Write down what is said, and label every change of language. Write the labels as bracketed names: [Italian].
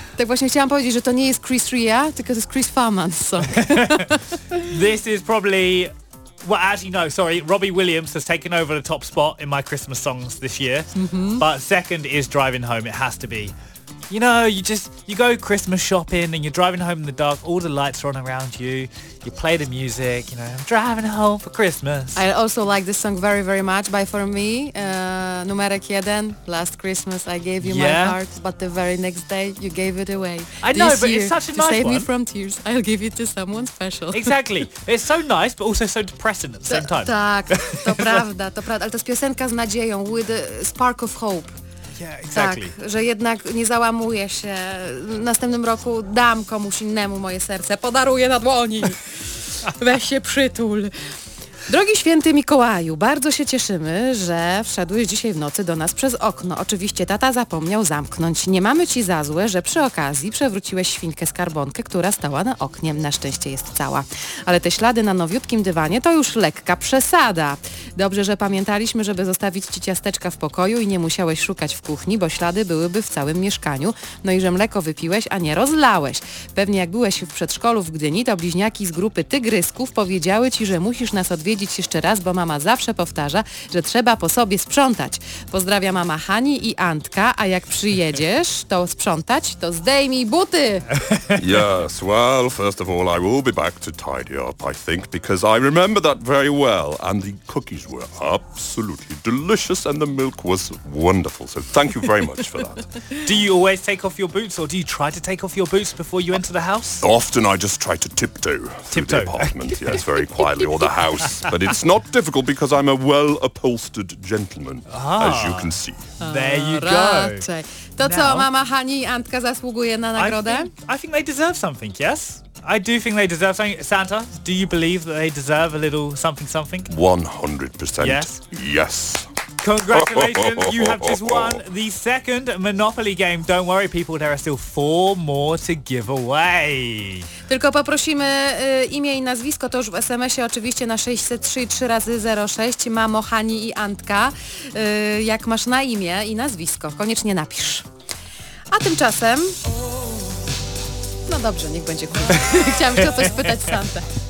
[Polish] Tak właśnie chciałam powiedzieć, że to nie jest Chris Rea, tylko to jest Chris Farman. [English] So. This is probably... Well, actually, no, sorry. Robbie Williams has taken over the top spot in my Christmas songs this year. Mm-hmm. But second is driving home. It has to be. You know, you go Christmas shopping and you're driving home in the dark. All the lights are on around you. You play the music. You know, I'm driving home for Christmas. I also like this song very, very much. By For Me, [Polish] numerek jeden, [English] Last Christmas I Gave You My Heart. But the very next day you gave it away. I know, but it's such a nice one. To save me from tears, I'll give it to someone special. Exactly. It's so nice, but also so depressing at the same time. [Polish] Tak, to prawda, to prawda. Ale to jest piosenka z nadzieją, [English] with a spark of hope. Yeah, exactly. [Polish] Tak, że jednak nie załamuję się. W następnym roku dam komuś innemu moje serce. Podaruję na dłoni. Weź się przytul. Drogi święty Mikołaju, bardzo się cieszymy, że wszedłeś dzisiaj w nocy do nas przez okno. Oczywiście tata zapomniał zamknąć. Nie mamy ci za złe, że przy okazji przewróciłeś świnkę skarbonkę, która stała na oknie. Na szczęście jest cała. Ale te ślady na nowiutkim dywanie to już lekka przesada. Dobrze, że pamiętaliśmy, żeby zostawić ci ciasteczka w pokoju i nie musiałeś szukać w kuchni, bo ślady byłyby w całym mieszkaniu. No i że mleko wypiłeś, a nie rozlałeś. Pewnie jak byłeś w przedszkolu w Gdyni, to bliźniaki z grupy Tygrysków powiedziały ci, że musisz nas odwiedzić jeszcze raz, bo mama zawsze powtarza, że trzeba po sobie sprzątać. Pozdrawia mama Hani i Antka, a jak przyjedziesz to sprzątać, to zdejmij buty! [English] Yes, well, first of all, I will be back to tidy up, I think, because I remember that very well, and the cookies were absolutely delicious, and the milk was wonderful, so thank you very much for that. Do you always take off your boots, or do you try to take off your boots before you enter the house? Often I just try to tiptoe through the apartment, yes, very quietly, or the house. But it's not difficult because I'm a well-upholstered gentleman, as you can see. There you go. [Polish] Raczej. To now, co, mama Hani i Antka zasługuje na nagrodę? [English] I think they deserve something, yes? I do think they deserve something. Santa, do you believe that they deserve a little something-something? 100%. Yes? Yes. Congratulations, you have just won the second Monopoly game. Don't worry, people, there are still four more to give away. [Polish] Tylko poprosimy imię i nazwisko, to już w SMS-ie oczywiście na 603 3x06. Mamo, Hani i Antka, jak masz na imię i nazwisko, koniecznie napisz. A tymczasem... No dobrze, niech będzie kurwa. Chciałam jeszcze o coś spytać Santę.